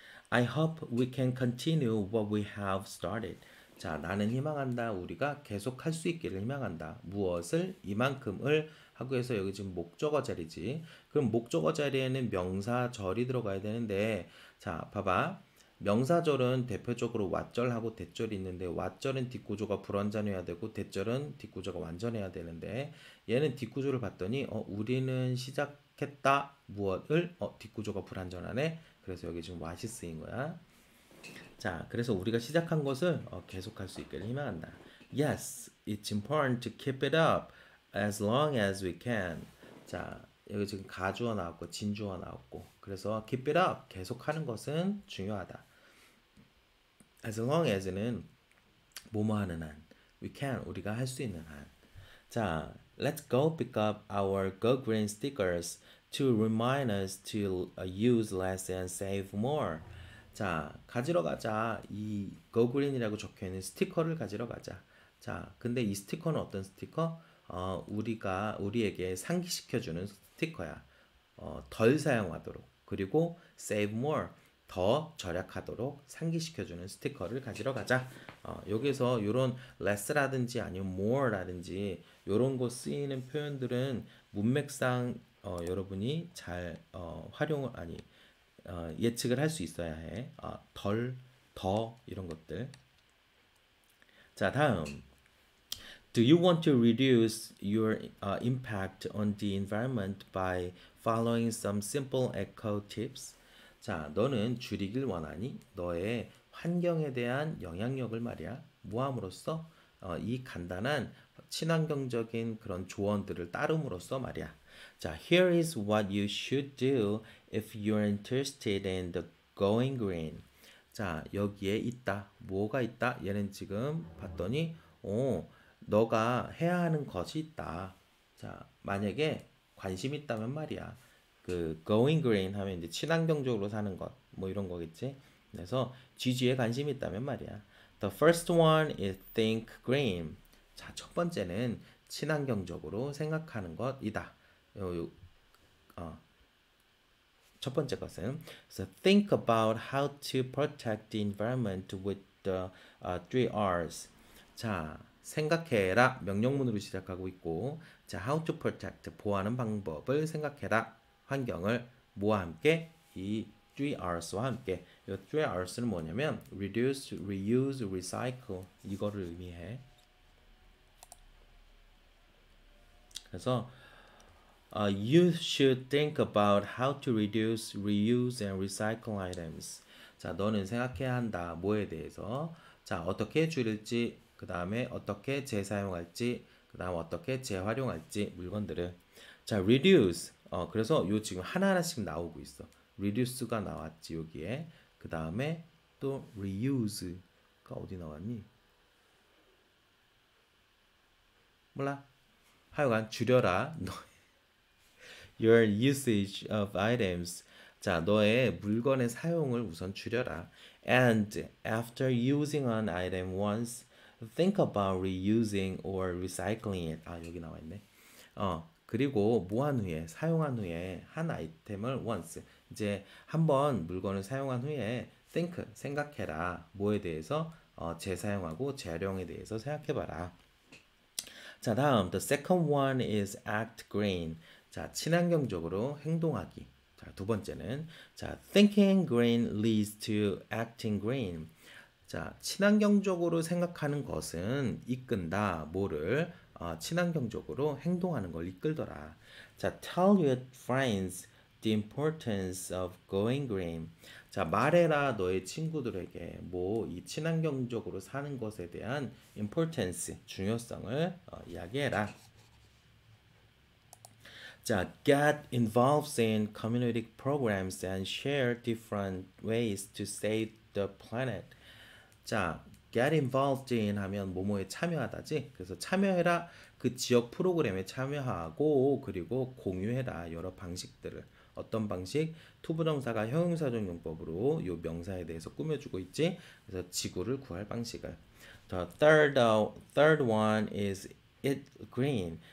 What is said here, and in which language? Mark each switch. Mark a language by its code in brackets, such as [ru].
[en] I hope we can continue what we have started. [ko] 자, 나는 희망한다. 우리가 계속 할수 있기를 희망한다. 무엇을? 이만큼을 하고 해서 여기 지금 목적어 자리지. 그럼 목적어 자리에는 명사절이 들어가야 되는데, 자, 봐봐. 명사절은 대표적으로 와절하고 대절이 있는데, 와절은 뒷구조가 불완전해야 되고, 대절은 뒷구조가 완전해야 되는데, 얘는 뒷구조를 봤더니, 우리는 시작 했다 무엇을? 뒷구조가 불완전하네. 그래서 여기 지금 what이 쓰인 거야. 자, 그래서 우리가 시작한 것을 계속할 수 있기를 희망한다. [en] Yes, it's important to keep it up as long as we can. [ko] 자, 여기 지금 가주어 나왔고 진주어 나왔고, 그래서 keep it up 계속하는 것은 중요하다. As long as는 뭐뭐하는 한, we can 우리가 할수 있는 한. [en] 자, let's go pick up our go green stickers to remind us to use less and save more. [ko] 자, 가지러 가자. 이 go green이라고 적혀 있는 스티커를 가지러 가자. 자, 근데 이 스티커는 어떤 스티커? 우리에게 상기시켜 주는 스티커야. 덜 사용하도록 그리고 save more 더 절약하도록 상기시켜 주는 스티커를 가지러 가자. 여기서 요런 less라든지 아니면 more라든지 요런 거 쓰이는 표현들은 문맥상 여러분이 잘 활용을 아니 예측을 할수 있어야 해. 덜, 더 이런 것들. 자, 다음. [en] Do you want to reduce your impact on the environment by following some simple eco tips? [ko] 자, 너는 줄이길 원하니? 너의 환경에 대한 영향력을 말이야. 뭐함으로써? 이 간단한 친환경적인 그런 조언들을 따름으로써 말이야. [en] 자, here is what you should do if you're interested in the going green. [ko] 자, 여기에 있다. 뭐가 있다? 얘는 지금 봤더니, 너가 해야 하는 것이 있다. 자, 만약에 관심 있다면 말이야. 그 going green 하면 이제 친환경적으로 사는 것, 뭐 이런 거겠지? 그래서 GG에 관심 있다면 말이야. [en] The first one is think green. [ko] 자, 첫 번째는 친환경적으로 생각하는 것이다. 첫 번째 것은 [en] so think about how to protect the environment with the three R's. [ko] 자, 생각해라 명령문으로 시작하고 있고, 자, how to protect 보호하는 방법을 생각해라. 환경을 뭐와 함께? 이 three R's와 함께. 이 three R's는 뭐냐면 reduce, reuse, recycle 이거를 의미해. [en] 그래서 you should think about how to reduce, reuse, and recycle items. [ko] 자, 너는 생각해야 한다. 뭐에 대해서? 자, 어떻게 줄일지, 그 다음에 어떻게 재사용할지, 그 다음 어떻게 재활용할지, 물건들을. [en] 자, reduce. [ko] 그래서 요 지금 하나하나씩 나오고 있어. reduce가 나왔지, 여기에. 그 다음에 또 reuse가 어디 나왔니? 몰라. 하여간 줄여라. [en] Your usage of items. [ko] 자, 너의 물건의 사용을 우선 줄여라. [en] And after using an item once, think about reusing or recycling it. [ko] 아, 여기 나와 있네. 그리고 뭐한 후에, 사용한 후에 한 아이템을 once. 이제 한번 물건을 사용한 후에 think, 생각해라. 뭐에 대해서? 재사용하고 재활용에 대해서 생각해봐라. 자, 다음. [en] The second one is act green. [ko] 자, 친환경적으로 행동하기. 자, 두 번째는 자, [en] thinking green leads to acting green. [ko] 자, 친환경적으로 생각하는 것은 이끈다. 뭐를? 친환경적으로 행동하는 걸 이끌더라. [en] 자, tell your friends the importance of going green. [ko] 자, 말해라 너의 친구들에게 뭐이 친환경적으로 사는 것에 대한 importance, 중요성을 이야기해라. [en] 자, get involved in community programs and share different ways to save the planet. [ko] 자, get involved in 하면 뭐뭐에 참여하다지? 그래서 참여해라. 그 지역 프로그램에 참여하고, 그리고 공유해라. 여러 방식들을. 어떤 방식? 투부정사가 형용사적 용법으로 요 명사에 대해서 꾸며주고 있지? 그래서 지구를 구할 방식을. [en] The third one is eat green.